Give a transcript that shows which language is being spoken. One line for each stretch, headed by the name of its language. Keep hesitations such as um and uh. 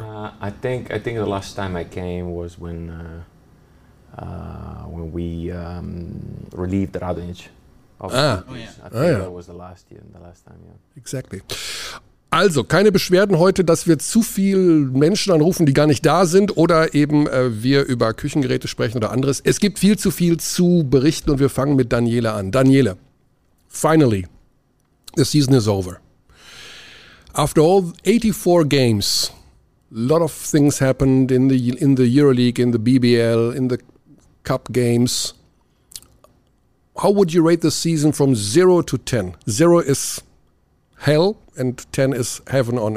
English: Uh, I think I think the last time I came was when uh, uh, when we um, relieved Ah. Oh, yeah. I ah, think ah, yeah. that was the last year, the last time, yeah. Exactly.
German: Also, keine Beschwerden heute, dass wir zu viel Menschen anrufen, die gar nicht da sind oder eben äh, wir über Küchengeräte sprechen oder anderes. Es gibt viel zu viel zu berichten und wir fangen mit Daniele an.
English: Daniele, finally, the season is over. after all 84 games, a lot of things happened in the in the EuroLeague, in the BBL, in the cup games. How would you rate the season from 0 to 10? 0 is hell and 10 is heaven on